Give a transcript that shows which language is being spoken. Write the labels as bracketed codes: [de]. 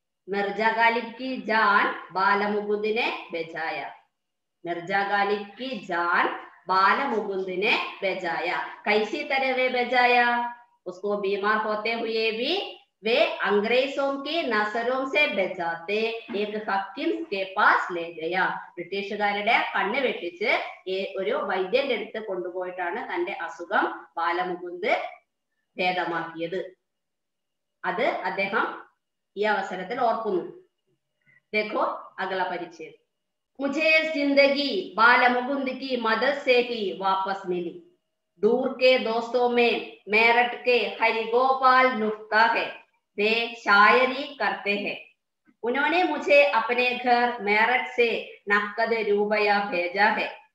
[hi] मिर्जा गालिब की जान बाल मुकुंद ने बचाया. मिर्जा गालिब की जान बाल मुकुंद ने बचाया. कैसी तरह वे बचाया? उसको बीमार होते हुए भी वे अंग्रेजों की नसरों से बचाते एक हकीम के पास ले गया. [ml] ബ്രിട്ടീഷുകാരുടെ കണ്ണ് വെട്ടിച്ച് ഒരു വൈദ്യന്റെ അടുത്ത് കൊണ്ടുപോയിട്ടാണ് തന്റെ അസുഖം ബാല മുകുന്ദ് ഭേദമാക്കിയത്. അത് അദ്ദേഹം ഈ അവസരത്തിൽ ഓർക്കുന്നു. [hi] ദേഖോ അഗല പരിചയം. मुझे जिंदगी बाल मुकुंद की मदद से ही वापस मिली. दूर के दोस्तों में मेरठ के हरिगोपाल नुक्ता है, वे शायरी करते हैं. उन्होंने मुझे अपने घर मेरठ से नकद रुपया भेजा है.